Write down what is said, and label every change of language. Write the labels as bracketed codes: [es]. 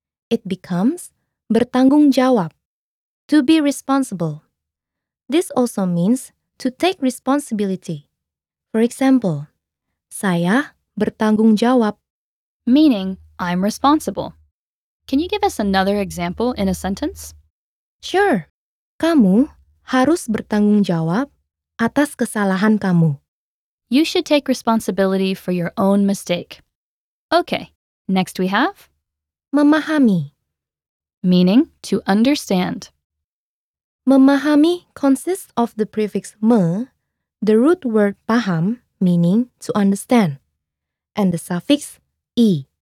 [en] It becomes bertanggung jawab, to be responsible. This also means to take responsibility. For example, [id] saya bertanggung jawab. [en] Meaning, I'm responsible. Can you give us another example in a sentence? Sure. [id] Kamu harus bertanggung jawab atas kesalahan kamu. [en] You should take responsibility for your own mistake. Okay, next we have [id] memahami. [en] Meaning to understand. Memahami consists of the prefix me, the root word paham, meaning to understand, and the suffix I.